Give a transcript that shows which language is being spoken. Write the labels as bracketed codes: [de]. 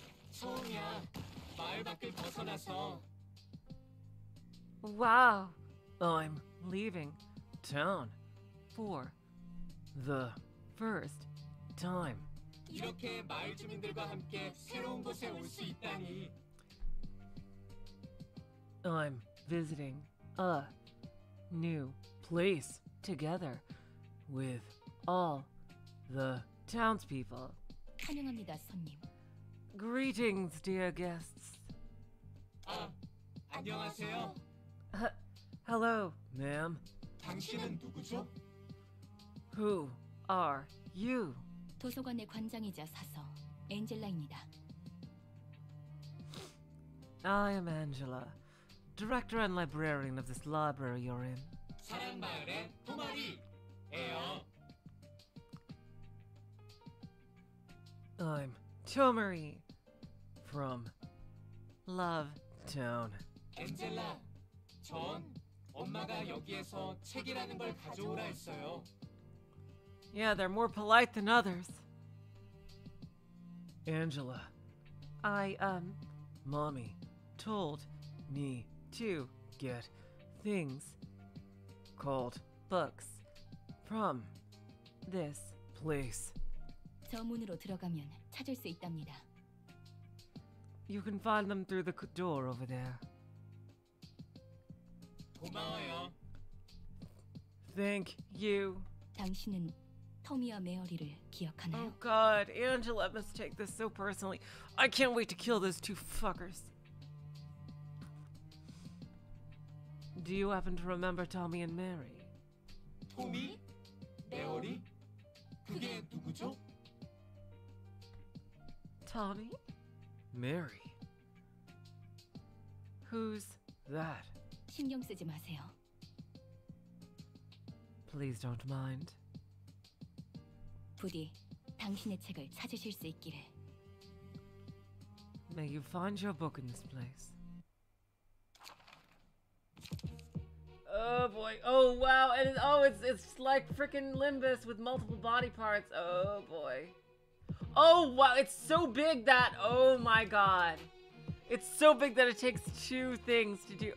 [ko] 소음이야. 마을 밖을 벗어나서. [en] Wow. I'm leaving town for the first time. [ko] 이렇게 마을 주민들과 함께 새로운 곳에 올 수 있다니. [en] I'm visiting a new place together with all the townspeople. [ko] 환영합니다, 손님. [en] Greetings, dear guests. [ko] 아, 안녕하세요. [en] Hello, ma'am. [ko] 당신은 누구죠? [en] Who are you? [ko] 도서관의 관장이자 사서 엔젤라입니다. [en] I am Angela. Director and librarian of this library you're in. [ko] 사랑마을의 토마리예요. [en] I'm Tomari from Love Town. [ko] 엔젤라, 전 엄마가 여기에서 책이라는 걸 가져오라 했어요. [en] Yeah, they're more polite than others. Angela, Mommy told me to get things called books from this place. [ko] 저 문으로 들어가면 찾을 수 있답니다. [en] You can find them through the door over there. [ko] 고마워요. [en] Thank you. [ko] 당신은 토미와 메어리를 기억하나요? [en] Oh God, Angela must take this so personally. I can't wait to kill those two fuckers. Do you happen to remember Tommy and Mary? [ko] Tommy? Mary? 그게 누구죠? [en] Tommy? Mary? Who's that? [ko] 신경 쓰지 마세요. [en] Please don't mind. [ko] 부디 당신의 책을 찾으실 수 있기를. [en] May you find your book in this place. Oh boy. Oh wow. And it's like freaking Limbus with multiple body parts. Oh boy. Oh wow. It's so big that oh my god. It's so big that it takes two things to do.